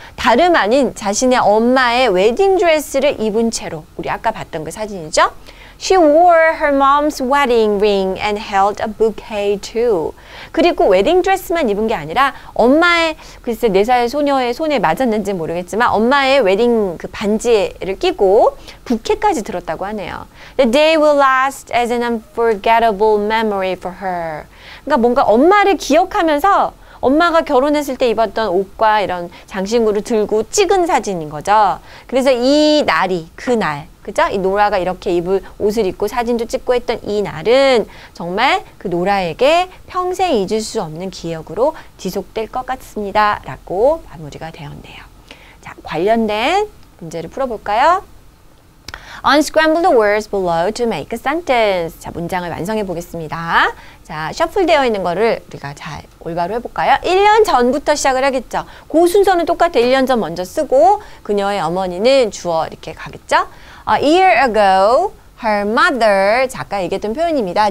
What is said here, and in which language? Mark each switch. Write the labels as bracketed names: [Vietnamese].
[Korean] 다름 아닌 자신의 엄마의 웨딩 드레스를 입은 채로 우리 아까 봤던 그 사진이죠. [English] She wore her mom's wedding ring and held a bouquet too. [Korean] 그리고 웨딩 드레스만 입은 게 아니라 엄마의 글쎄 4살 소녀의 손에 맞았는지 모르겠지만 엄마의 웨딩 그 반지를 끼고 부케까지 들었다고 하네요. [English] The day will last as an unforgettable memory for her. [Korean] 그러니까 뭔가 엄마를 기억하면서 엄마가 결혼했을 때 입었던 옷과 이런 장신구를 들고 찍은 사진인 거죠. 그래서 이 날이 그날 그죠? 이 노라가 이렇게 입을 옷을 입고 사진도 찍고 했던 이 날은 정말 그 노라에게 평생 잊을 수 없는 기억으로 지속될 것 같습니다. 라고 마무리가 되었네요. 자, 관련된 문제를 풀어볼까요? [English] Unscramble the words below to make a sentence. [Korean] 자, 문장을 완성해 보겠습니다. 자, 셔플되어 있는 거를 우리가 잘 올바로 해볼까요? 1년 전부터 시작을 하겠죠. 그 순서는 똑같아. 1년 전 먼저 쓰고 그녀의 어머니는 주어 이렇게 가겠죠? [English] A year ago, her mother, [Korean] 아까 얘기했던 표현입니다.